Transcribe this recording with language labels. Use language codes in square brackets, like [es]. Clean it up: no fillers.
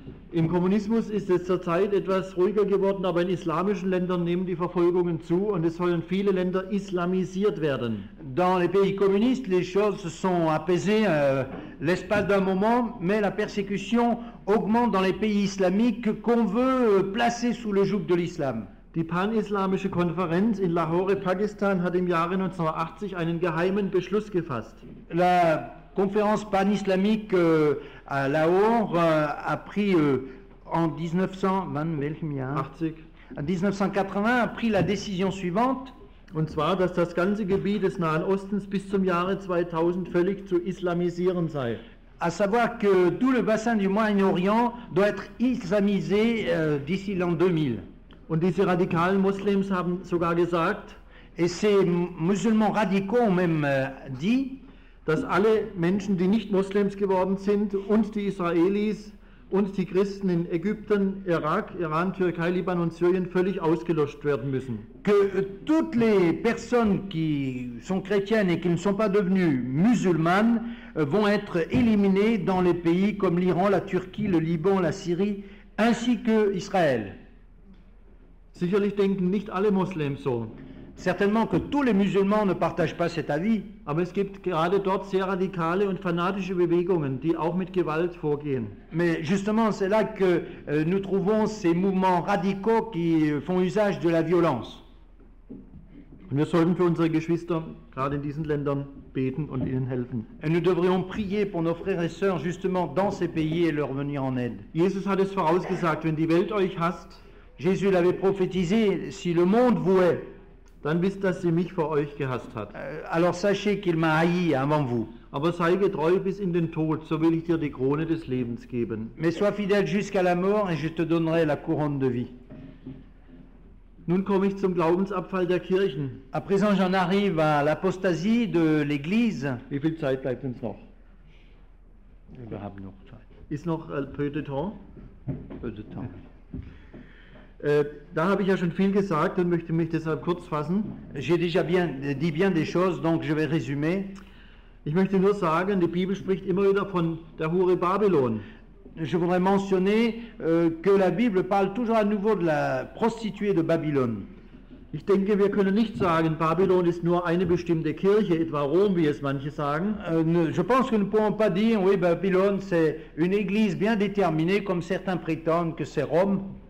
[de] Im Kommunismus ist es zurzeit etwas ruhiger geworden, aber in islamischen Ländern nehmen die Verfolgungen zu und es sollen viele Länder islamisiert werden. [fr] Dans les pays communistes, les choses sont apaisées l'espace d'un moment, mais la persécution augmente dans les pays islamiques qu'on veut placer sous le joug de l'islam. [de] Die panislamische Konferenz in Lahore, Pakistan hat im Jahre 1980 einen geheimen Beschluss gefasst. [fr] La conférence panislamique à Lahore a pris en 1980 a pris la décision suivante. [de] Und zwar, dass das ganze Gebiet des Nahen Ostens bis zum Jahre 2000 völlig zu islamisieren sei. [fr] À savoir que tout le bassin du Moyen-Orient doit être islamisé d'ici l'an 2000. [de] Und diese radikalen Muslims haben sogar gesagt, [fr] et ces musulmans radicaux ont même dit, [de] dass alle Menschen, die nicht Muslims geworden sind, und die Israelis und die Christen in Ägypten, Irak, Iran, Türkei, Libanon, Syrien völlig ausgelöscht werden müssen. [fr] Que toutes les personnes qui sont chrétiennes et qui ne sont pas devenues musulmanes vont être éliminées dans les pays comme l'Iran, la Turquie, le Liban, la Syrie, ainsi que Israël. [de] Sicherlich denken nicht alle Muslime so. [fr] Certainement que tous les musulmans ne partagent pas cet avis. [de] Aber es gibt gerade dort sehr radikale und fanatische Bewegungen, die auch mit Gewalt vorgehen. [fr] Mais justement, c'est là que nous trouvons ces mouvements radicaux qui font usage de la violence. [de] Und wir sollten für unsere Geschwister gerade in diesen Ländern beten und ihnen helfen. [fr] Et nous devrions prier pour nos frères et sœurs justement dans ces pays et leur venir en aide. [de] Jesus hat es vorausgesagt, wenn die Welt euch hasst, [fr] Jésus l'avait prophétisé, si le monde vous hait, [de] dann wisst, dass sie mich vor euch gehasst hat. [fr] Alors sachez qu'il m'a haï avant vous. [de] Aber sei getreu bis in den Tod, so will ich dir die Krone des Lebens geben. [fr] Mais sois fidèle jusqu'à la mort et je te donnerai la couronne de vie. [de] Nun komme ich zum Glaubensabfall der Kirchen. [fr] À présent, j'en arrive à l'apostasie de l'Église. [de] Wie viel Zeit bleibt uns noch? Wir haben noch Zeit. Ist noch [fr] peu de temps? Peu de temps. [de] Da habe ich ja schon viel gesagt und möchte mich deshalb kurz fassen. [fr] J'ai déjà bien dit bien des choses, donc je vais résumer. [de] Ich möchte nur sagen, die Bibel spricht immer wieder von der Hure Babylon. [fr] Je voudrais mentionner que la Bible parle toujours à nouveau de la prostituée de Babylone. [de] Ich denke, wir können nicht sagen, Babylon ist nur eine bestimmte Kirche, etwa Rom, wie es manche sagen. [fr] Je pense que nous ne pouvons pas dire, oui, Babylon, c'est une église bien déterminée, comme certains prétendent que c'est Rome.